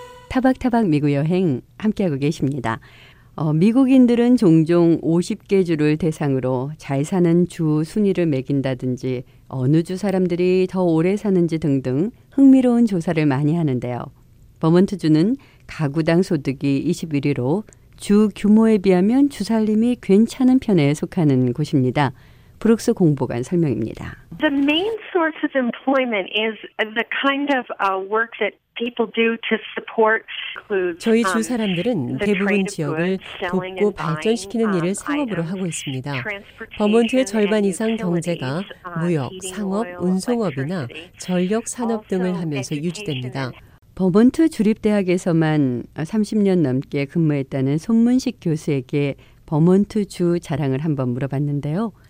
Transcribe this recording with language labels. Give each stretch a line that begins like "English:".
Korean: 타박타박 미국 여행 함께하고 계십니다. 미국인들은 종종 50개 주를 대상으로 잘 사는 주 순위를 매긴다든지 어느 주 사람들이 더 오래 사는지 등등 흥미로운 조사를 많이 하는데요. 버몬트 주는 가구당 소득이 21위로 주 규모에 비하면 주살림이 괜찮은 편에 속하는 곳입니다. 브룩스 공보관 설명입니다.
English: The main source of employment is the kind of work that people do to support.
Korean: 저희 주 사람들은 대부분 지역을 돕고 발전시키는 일을 상업으로 하고 있습니다. 버몬트의 절반 이상 경제가 무역, 상업, 운송업이나 전력 산업 등을 하면서 유지됩니다. 버몬트 주립대학에서만 30년 넘게 근무했다는 손문식 교수에게 버몬트 주 자랑을 한번 물어봤는데요.